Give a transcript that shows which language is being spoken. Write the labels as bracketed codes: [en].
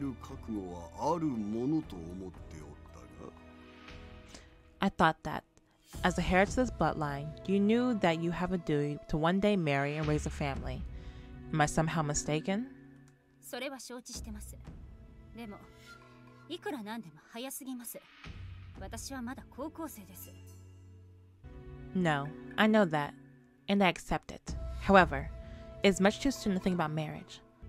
[ja] 登場を継ぐ者として、いずれは婿を取り、身を固める覚悟はあるものと思っておったが。 [en] I thought that, as the heir to this bloodline, you knew that you have a duty to one day marry and raise a family. Am I somehow mistaken? [ja] それは承知してます。でも、いくらなんでも早すぎます。私はまだ高校生です。 [en] No, I know that, and I accept it. However, it is much too soon to think about marriage.